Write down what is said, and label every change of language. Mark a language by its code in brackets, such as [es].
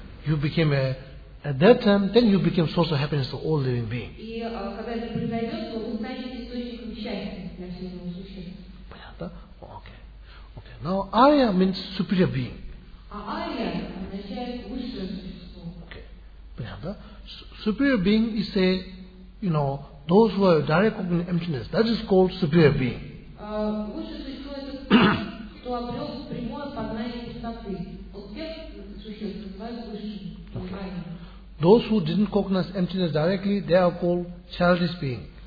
[en] You became at that time, then you became source of happiness for all living beings. [ru] И когда это произойдет, то вы станете источником счастья для всех существ. Понятно? [en] Okay. Now Arya means superior being. [ru] А Arya означает высшее существо. [en] Okay. [ru] Понятно? [en] Superior being is a, you know, those who are direct cognitive emptiness. That is called superior being. [ru] Высшее существо это кто обрел прямое познание чистоты. [en] Okay. Those who didn't cognize emptiness directly, they are called childish being.